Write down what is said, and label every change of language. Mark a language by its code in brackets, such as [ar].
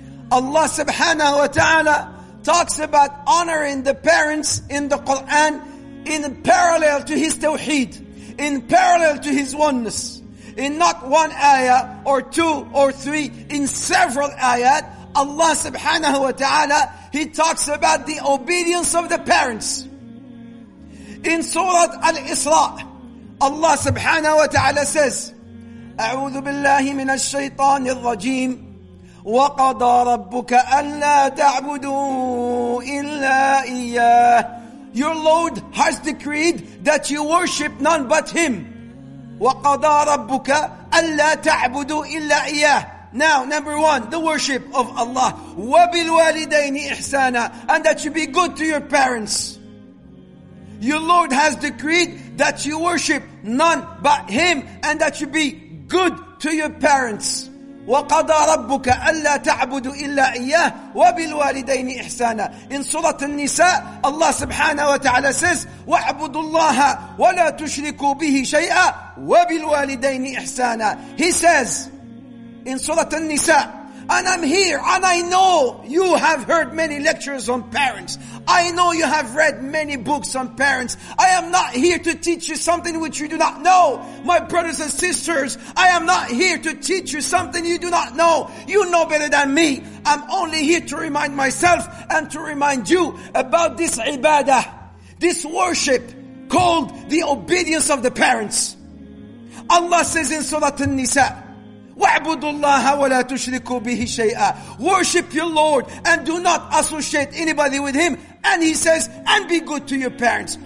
[en] Allah subhanahu wa ta'ala talks about honoring the parents in the Quran in parallel to his tawheed, in parallel to his oneness. In not one ayah or two or three, in several ayat, Allah subhanahu wa ta'ala, he talks about the obedience of the parents. In Surah Al-Isra, Allah subhanahu wa ta'ala says, [ar] أعوذ بالله من الشيطان الرجيم وقضى ربك ألا تعبدوا إلا إياه. [en] Your Lord has decreed that you worship none but Him. [ar] وقضى ربك ألا تعبدوا إلا إياه. [en] Now, number one, the worship of Allah. [ar] وبالوالدين إحسانا, [en] and that you be good to your parents. Your Lord has decreed that you worship none but Him and that you be good to your parents. [ar] وَقَضَى رَبُّكَ أَلَّا تَعْبُدُ إِلَّا إِيَّهِ وَبِالْوَالِدَيْنِ إِحْسَانًا. [en] In Surah An-Nisa, Allah subhanahu wa ta'ala says, [ar] وَعْبُدُ اللَّهَ وَلَا تُشْرِكُوا بِهِ شَيْئًا وَبِالْوَالِدَيْنِ إِحْسَانًا. [en] He says in Surah An-Nisa, and I'm here, and I know you have heard many lectures on parents. I know you have read many books on parents. I am not here to teach you something which you do not know. My brothers and sisters, I am not here to teach you something you do not know. You know better than me. I'm only here to remind myself and to remind you about this ibadah, this worship called the obedience of the parents. Allah says in Surah An-Nisa, [ar] وَعْبُدُ اللَّهَ وَلَا تُشْرِكُوا بِهِ شَيْئًا. [en] Worship your Lord and do not associate anybody with Him. And He says, and be good to your parents.